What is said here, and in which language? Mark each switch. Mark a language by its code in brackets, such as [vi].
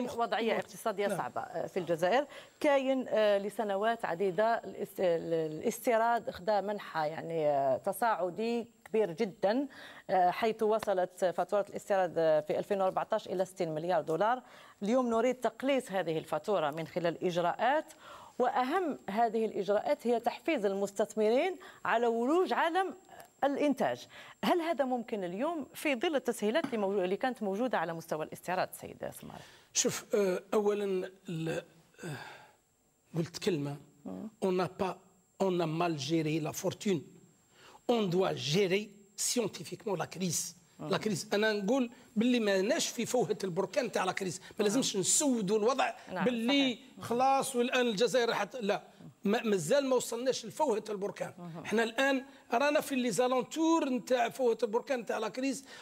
[ar] وضعيه اقتصاديه صعبه في الجزائر، كاين لسنوات عديده الاستيراد خدا منحه يعني تصاعدي كبير جدا، حيث وصلت فاتوره الاستيراد في 2014 الى 60 مليار دولار. اليوم نريد تقليص هذه الفاتوره من خلال اجراءات، واهم هذه الاجراءات هي تحفيز المستثمرين على ولوج عالم الإنتاج. هل هذا ممكن اليوم في ظل التسهيلات اللي كانت موجودة على مستوى الاستيراد سيد صماري؟ شوف أولا قلت كلمة [fr] on a pas on a mal géré la fortune on doit gérer scientifiquement la crise. [ar] لا كريس انا نقول باللي ما ناش في فوهه البركان تاع لا كريس، ما لازمش نسودوا الوضع باللي خلاص والان الجزائر راحت. لا مازال ما وصلناش لفوهه البركان. احنا الان رانا في لي زالونتور نتاع فوهه البركان تاع لا كريس.